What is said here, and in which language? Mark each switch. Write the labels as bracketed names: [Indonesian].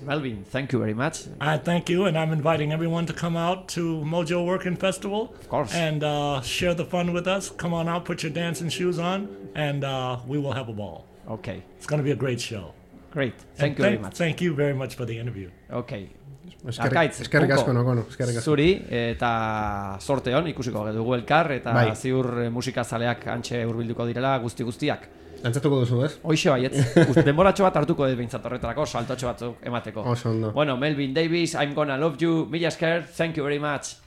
[English] Melvin, thank you very much. I thank you, and I'm inviting everyone to come out to Mojo Working Festival. Of course. And share the fun with us. Come on out, put your dancing shoes on, and we will have a ball. Okay. It's going to be a great show. Great. Thank you very much. Thank you very much for the interview. Okay. [Basque] Eskerrik asko, nagoen, eskerrik asko. Zuri, eta sorte hon, ikusiko dugu elkar, eta bai, ziur musikazaleak antxe hurbilduko direla guztiak. Antzatuko duzu, ez? Hoixe bai, ez. Denboratxo bat hartuko dut behintzat horretarako, saltotxo batzuk emateko. Oso ondo. [English] Bueno, Melvin Davis, I'm Gonna Love You, [Basque] mila esker, [English] thank you very much.